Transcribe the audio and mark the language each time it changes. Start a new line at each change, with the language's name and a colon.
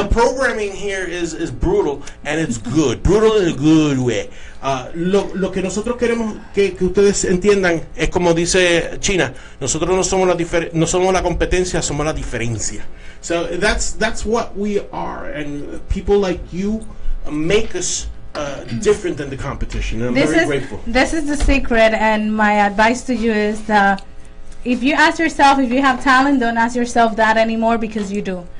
English: The programming here is brutal, and it's good. Brutal in a good way.
Spanish: Lo que nosotros queremos que ustedes entiendan es como dice China, nosotros no somos la competencia, somos la diferencia.
English: So that's what we are, and people like you make us different than the competition, and I'm very grateful. This is the secret, and my advice to you is that if you ask yourself if you have talent, don't ask yourself that anymore, because you do.